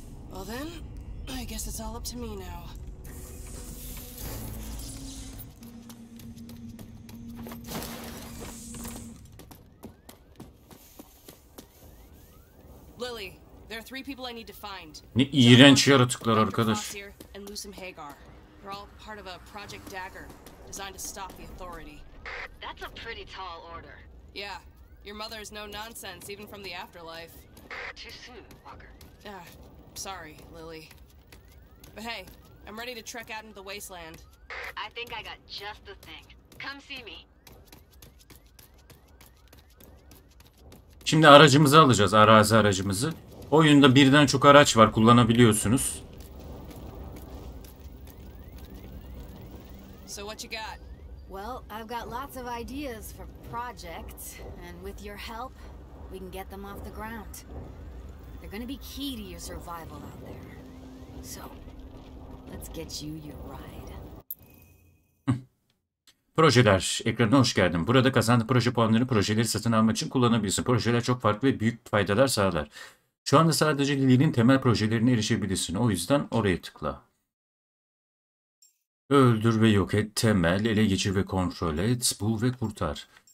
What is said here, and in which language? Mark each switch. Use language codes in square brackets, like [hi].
[en] Well then, I guess it's all up to me now. Lily, there are three people I need to find. [tr] Ne iğrenç yaratıklar arkadaş. [en] And Lucim Hagar. They're all part of a Project Dagger. Designed to stop the authority. That's a pretty tall order. Yeah, your mother is no nonsense, even from the afterlife. Too soon, Walker. Sorry, Lily. But hey, I'm ready to trek out into the wasteland. I think I got just the thing. Come see me. [tr] Şimdi aracımızı alacağız, arazi aracımızı. Oyunda birden çok araç var, kullanabiliyorsunuz. [en] So what you got? Well, I've got lots of ideas for projects, and with your help, we can get them off the ground. They're gonna be key to your survival out there. So, let's get you your ride. [tr] Projeler. Ekranına hoş geldin. Burada kazandığın proje puanlarını projeleri satın almak için kullanabilirsin. Projeler çok farklı ve büyük faydalar sağlar. Şu anda sadece Lili'nin temel projelerine erişebilirsin. O yüzden oraya tıkla. Öldür ve yok et. Temel. Ele geçir ve kontrol et. Bul ve kurtar.